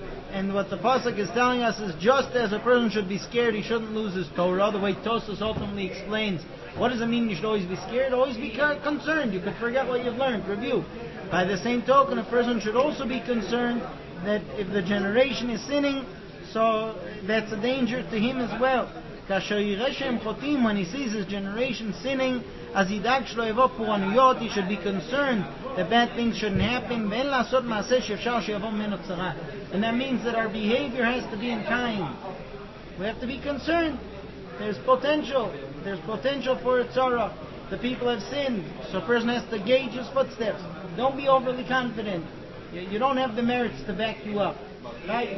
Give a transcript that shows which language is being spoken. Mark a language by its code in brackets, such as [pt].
[en] And what the pasuk is telling us is just as a person should be scared, he shouldn't lose his Torah. The way Tosfos ultimately explains, what does it mean you should always be scared? Always be concerned. You could forget what you've learned. Review. By the same token, a person should also be concerned that if the generation is sinning, so that's a danger to him as well. [he] כאשר יראה שהם חוטאים, [en] when he sees his generation sinning, [he] אז ידאג שלא יבוא פורענויות, [en] he should be concerned that bad things shouldn't happen, [he] ואין לעשות מעשה שאפשר שיבוא ממנו צרה. [en] And that means that our behavior has to be in kind. We have to be concerned. There's potential. There's potential for a tzara. The people have sinned, so a person has to gauge his footsteps. Don't be overly confident. You don't have the merits to back you up. Right?